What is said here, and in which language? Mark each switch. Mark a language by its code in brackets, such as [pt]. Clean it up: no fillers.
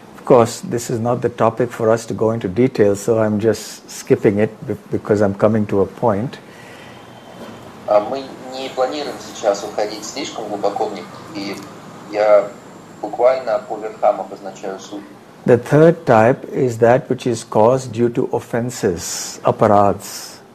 [en] Of course, this is not the topic for us to go into detail, so I'm just skipping it because I'm coming to a point. [ru] Мы не планируем сейчас уходить слишком глубоко в них, и я буквально по верхам обозначаю суть. [en] The third type is that which is caused due to offenses, aparads.